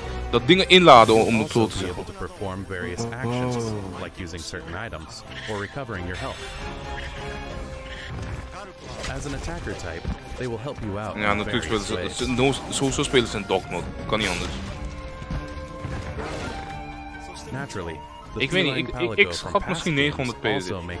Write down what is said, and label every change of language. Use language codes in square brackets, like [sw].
[nl] Dat dingen inladen om het zo te zeggen. [en] Various actions, like using certain items or recovering your health. As an attacker type, they will help you out. [nl] Ja, natuurlijk spelen ze. Zo spelen ze in dog mode. Kan niet anders. Naturally, ik weet niet, ik schat misschien 900 PZ.